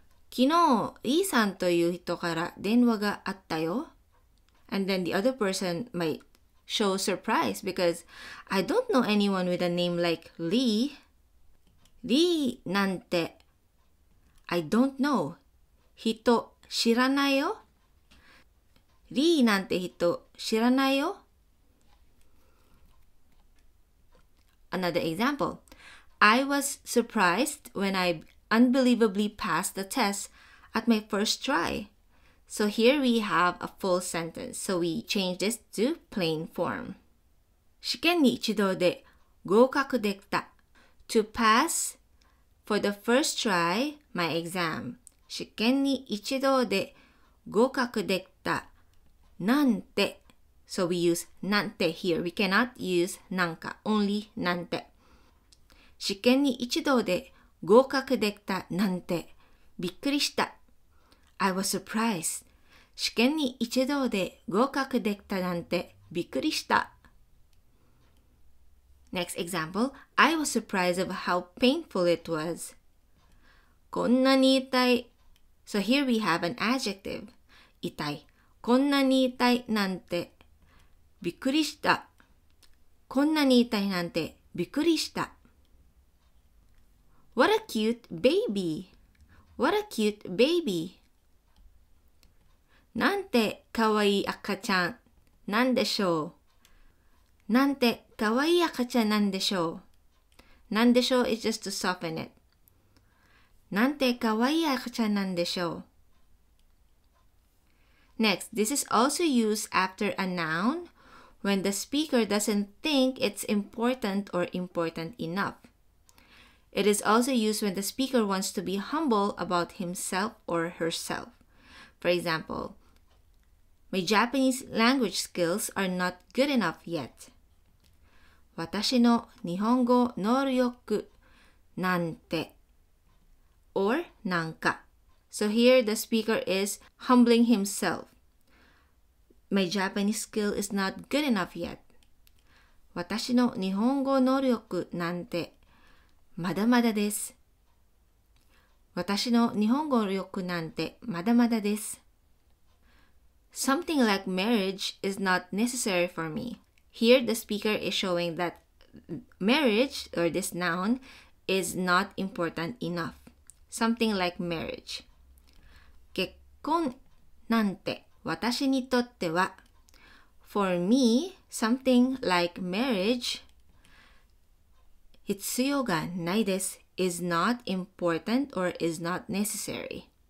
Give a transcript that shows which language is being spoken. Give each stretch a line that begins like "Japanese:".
Japanese: 昨日、Lee さんという人から電話があったよ。
English: And then the other person might show surprise because I don't know anyone with a name like Lee. Lee なんて、I don't know.
Japanese: 人知らないよ。リーなんて人知らないよ。
English: Another example. I was surprised when I unbelievably passed the test at my first try. So here we have a full sentence. So we change this to plain form.
Japanese: 試験に一度で合格できた。
English: To pass for the first try my exam.
Japanese: 試験に一度で合格できた。なんて。
English: So we use なんて here. We cannot use なんか。 Only なんて。
Japanese: 試験に一度で合格できたなんて。びっくりした。
English: I was surprised.
Japanese: 試験に一度で合格できたなんて。びっくりした。
English: Next example. I was surprised of how painful it was.
Japanese: こんなに痛い。
English: So here we have an adjective.
Japanese: 痛い。こんなに痛いなんて。びっくりした。こんなに痛いなんて。びっくりした。
English: What a cute baby. What a cute baby.
Japanese: なんてかわいい赤ちゃんなんでしょう。なんてかわいい赤ちゃんなんでしょう。
English: なんでしょう is just to soften it.
Japanese: なんてかわいい赤ちゃんなんでしょう。
English: Next, this is also used after a noun when the speaker doesn't think it's important or important enough. It is also used when the speaker wants to be humble about himself or herself. For example, my Japanese language skills are not good enough yet.
Japanese: 私の日本語能力なんて。
English: Or なんか。So here the speaker is humbling himself. My Japanese skill is not good enough yet.
Japanese: 私の日本語能力なんてまだまだです。私の日本語力なんてまだまだです。
English: Something like marriage is not necessary for me. Here the speaker is showing that marriage, or this noun, is not important enough. Something like marriage.
Japanese: 結婚なんて私にとっては
English: For me, something like marriage
Japanese: 必要がないです。
English: Is not important or is not necessary.